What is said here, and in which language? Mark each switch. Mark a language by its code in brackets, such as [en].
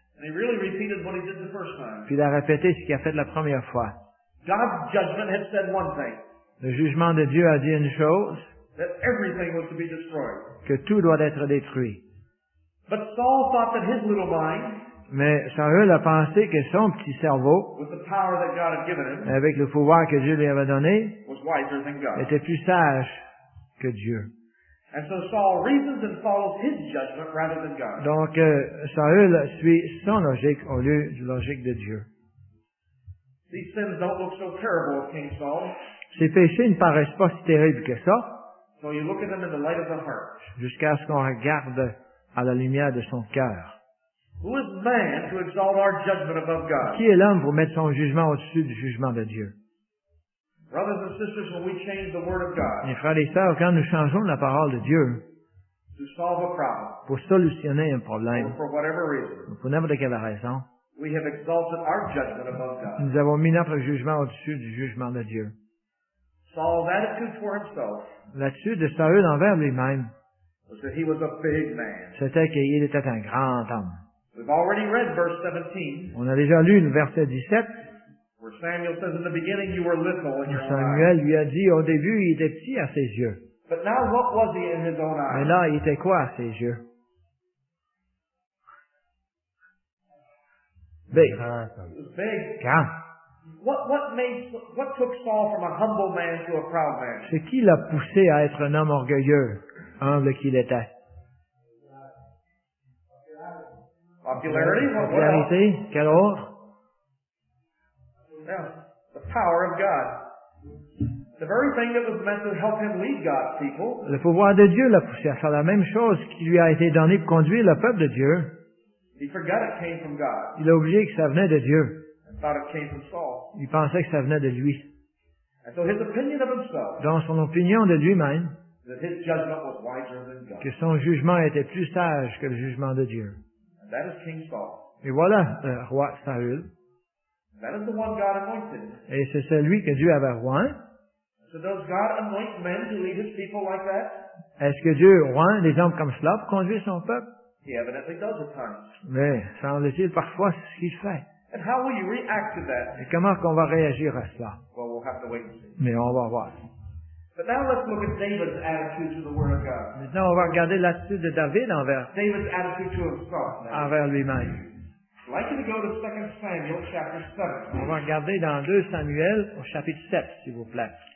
[en] And he really repeated what he did the first time. [fr] Puis il a répété ce qu'il a fait la première fois. [en] God's judgment had said one thing. [fr] Le jugement de Dieu a dit une chose. [en] That everything was to be destroyed. [fr] Que tout doit être détruit. [en] But Saul thought that his little mind. [fr] Mais Saül a pensé que son petit cerveau, [en] with the power that God had given him, [fr] avec le pouvoir que Dieu lui avait donné, [en] was wiser than God. [fr] Était plus sage que Dieu. [en] And so Saul reasons and follows his judgment rather than God. [fr] Donc Saül suit son logique au lieu de la logique de Dieu. [en] These sins don't look so terrible, King Saul. [fr] Ces péchés ne paraissent pas si terribles que ça. [en] So you look at them in the light of the heart. [fr] Jusqu'à ce qu'on regarde à la lumière de son cœur. [en] Who is man to exalt our judgment above God? [fr] Qui est l'homme pour mettre son jugement au-dessus du jugement de Dieu? [en] Brothers and sisters, when we change the word of God, [fr] mes frères et sœurs, quand nous changeons la parole de Dieu, [en] to solve a problem, [fr] pour solutionner un problème, [en] or for whatever reason, [fr] pour n'importe quelle raison, [en] we have exalted our judgment above God. [fr] Nous avons mis notre jugement au-dessus du jugement de Dieu. [en] Saul's attitude toward himself, [fr] l'attitude de Saül envers lui-même, [en] was that he was a big man. [fr] C'était qu'il était un grand homme. [en] We've already read verse 17. [fr] On a déjà lu le verset 17. [en] Where Samuel says, in the beginning you were little in your eyes. [fr] Samuel lui a dit, au début, il était petit à ses yeux. [en] But now what was he in his own eyes? [fr] Mais là, il était quoi à ses yeux? [en] Big. Big. [fr] Grand. [en] What took Saul from a humble man to a proud man? [fr] C'est qui l'a poussé à être un homme orgueilleux, humble qu'il était? [en] Popularity? [fr] Quel autre? [en] The power of God. The very thing that was meant to help him lead God's people. [fr] Le pouvoir de Dieu l'a poussé à faire la même chose qui lui a été donné pour conduire le peuple de Dieu. [en] He forgot it came from God. [fr] Il a oublié que ça venait de Dieu. [en] And thought it came from Saul. [fr] Il pensait que ça venait de lui. [en] And so his opinion of himself, [fr] dans son opinion de lui-même, [en] that his judgment was wiser than God. [fr] Que son jugement était plus sage que le jugement de Dieu. [en] That is King Saul. [fr] Et voilà le roi Saül. [en] That is the one God anointed. [fr] Et c'est celui que Dieu avait oint. [en] So does God anoint men to lead his people like that? [fr] Est-ce que Dieu oint des hommes comme cela pour conduire son peuple? [en] He evidently does at times. [fr] Mais semble-t-il parfois c'est ce qu'il fait. [en] And how will you react to that? [fr] Et comment qu'on va réagir à cela? [en] Well, we'll have to wait and see. [fr] Mais on va voir. [en] But now let's look at David's attitude to the word of God. [fr] Maintenant, on va regarder l'attitude de David envers [en] David's attitude to himself. Now. [fr] Envers lui-même. [en] I'd like you to go to 2 Samuel chapter 7. [fr] On va regarder dans 2 Samuel au chapitre 7, s'il vous plaît.